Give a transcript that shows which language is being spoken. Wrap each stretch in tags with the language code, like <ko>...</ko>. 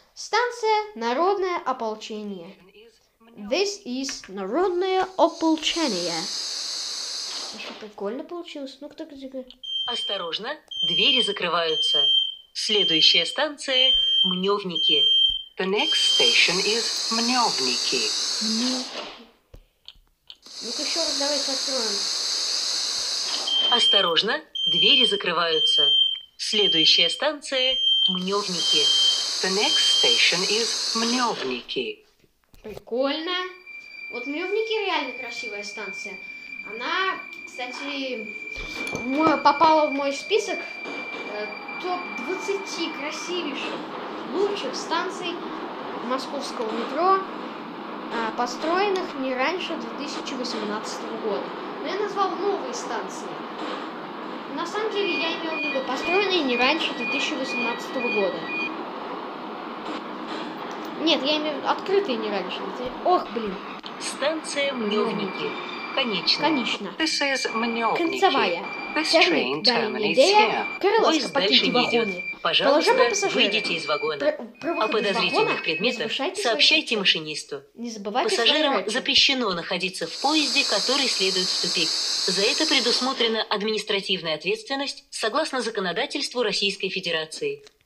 <ru>Станция Народное ополчение.</ru> <en>This is</en> <ru>Народное ополчение. Что, прикольно получилось? Ну-ка, так. Осторожно, двери закрываются. Следующая станция – Мнёвники.</ru> <en>The next station is Мнёвники.</en> <ru>Ну-ка еще раз давайте откроем. Осторожно, двери закрываются. Следующая станция – Мнёвники.</ru> <en>The next station is Мнёвники.</en> <ru>Прикольно. Вот Мнёвники – реально красивая станция. Она, кстати, попала в мой список топ-20 красивейших, лучших станций московского метро, построенных не раньше 2018 года. Но я назвал новые станции. На самом деле, я имел в виду построенные не раньше 2018 года. Нет, я имею в виду открытые не раньше. Ох, блин. Станция Мнёвники. Конечно.</ru> <en>This is Мнёвники.</en> <ru>Концевая.</ru> <en>This train terminates here.</en> <ru>Крылышко, покиньте вагоны. Пожалуйста, выйдите из вагона. О подозрительных предметах сообщайте машинисту. Не забывайте. Пассажирам запрещено находиться в поезде, который следует в тупик. За это предусмотрена административная ответственность согласно законодательству Российской Федерации.</ru>